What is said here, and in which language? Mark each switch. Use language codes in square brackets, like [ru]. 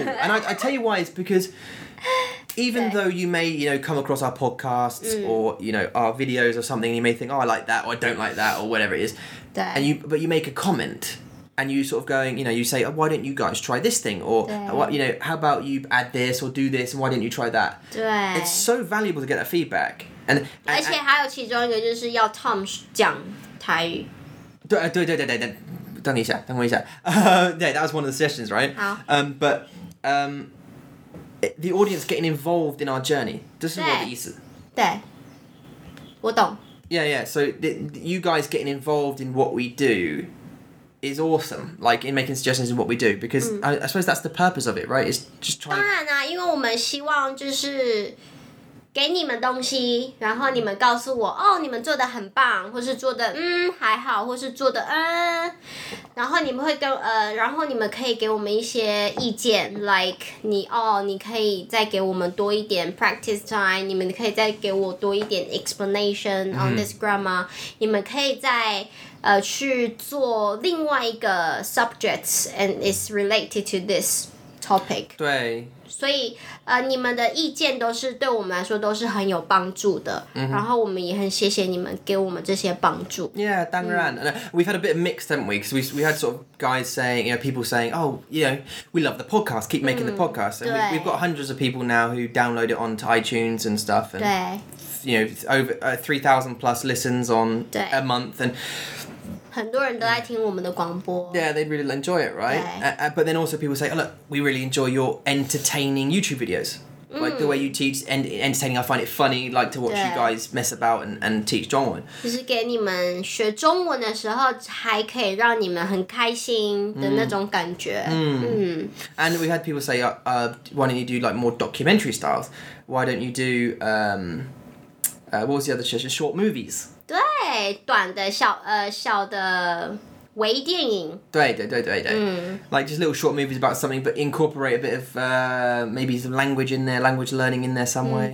[en] And I tell you why, it's because even though you may, you know, come across our podcasts or, you know, our videos or something, you may think, oh, I like that or I don't like that or whatever it is. And you make a comment and you sort of going, you know, you say, oh, why don't you guys try this thing? Or, what, you know, how about you add this or do this? And why didn't you try that? It's so valuable to get that feedback. And [zh] 而且还有其中一个就是要 Tom 讲台语。对对对对对对。等一下，等我一下。 [en] Yeah, that was one of the suggestions, right? But the audience getting involved in our journey. This is what the 意思。 [zh] 对，我懂。 [en] Yeah, yeah. So the you guys getting involved in what we do is awesome. Like in making suggestions in what we do, because I suppose that's the purpose of it, right? It's just trying. [zh] 当然啊，因为我们希望就是给你们东西，然后你们告诉我，哦，你们做的很棒，或是做的还好，或是做的然后你们会跟然后你们可以给我们一些意见 ，like 你哦，你可以再给我们多一点 [en] practice time， [zh] 你们可以再给我多一点 [en] explanation on this grammar， [zh] 你们可以再去做另外一个 [en] subject and it's related to this topic。 [zh] 对。所以你们的意见都是对我们来说都是很有帮助的、 [en] mm-hmm. [zh] 然后我们也很谢谢你们给我们这些帮助 [en] yeah [zh] 当然、 [en] we've had a bit of mixed haven't we because we had sort of guys saying you know people saying oh you know we love the podcast keep making the podcast and we've got hundreds of people now who download it onto iTunes and stuff and you know over 3,000 plus listens on a month and [zh] 很多人都在听我们的广播。 [en] Yeah, they really enjoy it, right? But then also people say, oh, look, we really enjoy your entertaining YouTube videos. Like the way you teach entertaining, I find it funny, like to watch you guys mess about and teach 中文。 [zh] 就是给你们学中文的时候还可以让你们很开心的那种感觉。 [en] And we had people say, why don't you do like more documentary styles? Why don't you do, what was the other suggestion? Short movies. [zh] 对，短的小小的微电影。对对对对对。 [en] Like just little short movies about something, but incorporate a bit of maybe some language in there, language learning in there some way.